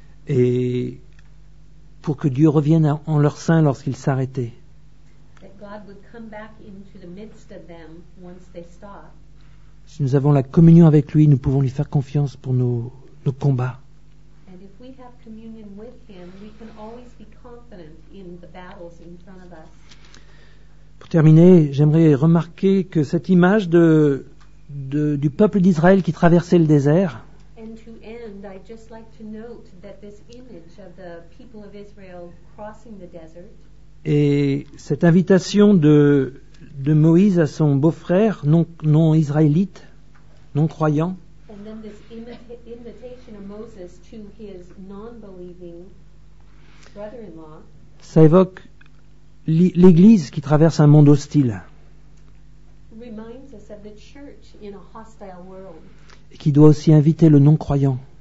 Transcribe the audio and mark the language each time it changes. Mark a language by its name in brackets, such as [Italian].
[French] Et pour que Dieu revienne en leur sein lorsqu'ils s'arrêtaient. [English] That God would come back into the midst of them once they stop. [French] Si nous avons la communion avec lui, nous pouvons lui faire confiance pour nos combats. [English] And if we have communion with him, we can always be confident in the battles in front of us. [French] Pour terminer, j'aimerais remarquer que cette image du peuple d'Israël qui traversait le désert. [English] I'd just like to note that this image of the people of Israel crossing the desert. [French] Et cette invitation de Moïse à son beau-frère non israélite, non croyant. [English] And then this invitation of Moses to his non-believing brother-in-law. [French] Ça évoque l'Église qui traverse un monde hostile. [English] Reminds us of the church in a hostile world. [French] Et qui doit aussi inviter le non-croyant.